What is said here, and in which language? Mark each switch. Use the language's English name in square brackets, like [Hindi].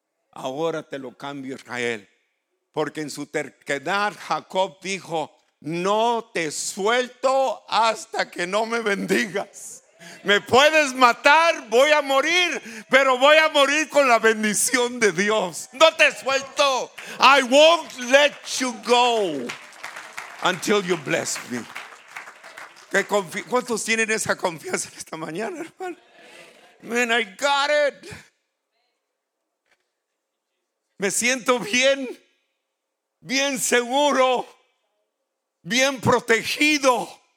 [Spanish] Ahora te lo cambio, Israel. Porque en su terquedad Jacob dijo: no te suelto hasta que no me bendigas. Me puedes matar, voy a morir, pero voy a morir con la bendición de Dios. No te suelto. [English] I won't let you go until you bless me. [Spanish] ¿Cuántos tienen esa confianza en esta mañana, hermano? [English] Man, I got it. [Spanish] Me siento bien, bien seguro, bien protegido.